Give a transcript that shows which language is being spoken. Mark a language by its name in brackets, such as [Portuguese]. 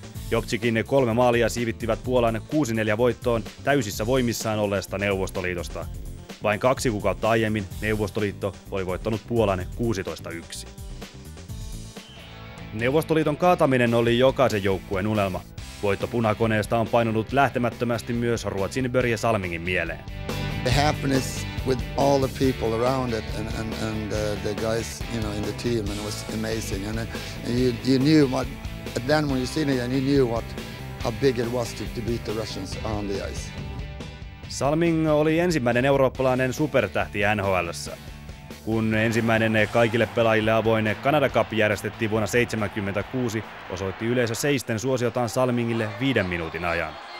[Finnish] Jobcikin 3 maalia siivittivät Puolan 6-4 voittoon täysissä voimissaan olleesta Neuvostoliitosta. Vain 2 kuukautta aiemmin Neuvostoliitto oli voittanut Puolan 16-1. Neuvostoliiton kaataminen oli jokaisen joukkueen unelma. Voitto punakoneesta on painunut lähtemättömästi myös Ruotsin Börje Salmingin mieleen. [English] The happiness with all the people around it and the guys, you know, in the team, and it was amazing. And you knew what, at then when you seen it, and you knew what how big it was to beat the Russians on the ice. [Finnish] Salming oli ensimmäinen eurooppalainen supertähti NHL:ssä. Kun ensimmäinen kaikille pelaajille avoin Canada Cup järjestettiin vuonna 1976, osoitti yleisö seisten suosiotaan Salmingille 5 minuutin ajan.